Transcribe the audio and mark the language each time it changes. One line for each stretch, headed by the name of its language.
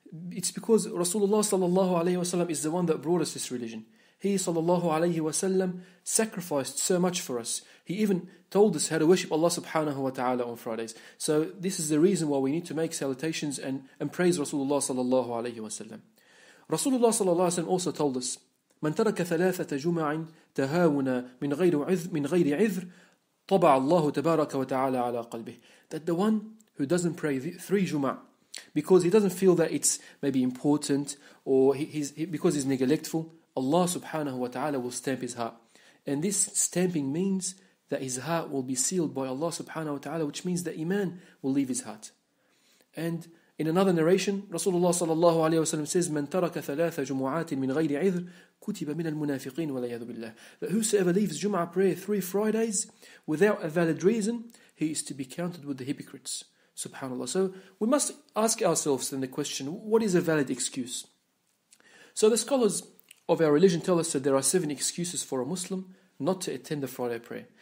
English: It's because Rasulullah sallallahu alayhi wa sallam is the one that brought us this religion. He sallallahu alayhi wa sallam sacrificed so much for us. He even told us how to worship Allah subhanahu wa ta'ala on Fridays. So this is the reason why we need to make salutations and praise Rasulullah sallallahu alayhi wa sallam. Rasulullah sallallahu alayhi wa sallam also told us,
Arabic: من ترك ثلاثة جمع تهاون من غير عذر من غير عذر طبع الله تبارك وتعالى على قلبه.
English: That the one who doesn't pray three jumu'ah because he doesn't feel that it's maybe important or because he's neglectful, Allah subhanahu wa ta'ala will stamp his heart. And this stamping means that his heart will be sealed by Allah subhanahu wa ta'ala, which means that iman will leave his heart. And in another narration, Rasulullah sallallahu alayhi wa sallam says,
Arabic: من ترك ثلاثة جمعات من غير عذر كتب من المنافقين والعياذ بالله.
English: That whosoever leaves Jumu'ah prayer three Fridays without a valid reason, he is to be counted with the hypocrites. SubhanAllah. So we must ask ourselves then the question, what is a valid excuse? So the scholars of our religion tell us that there are seven excuses for a Muslim not to attend the Friday prayer.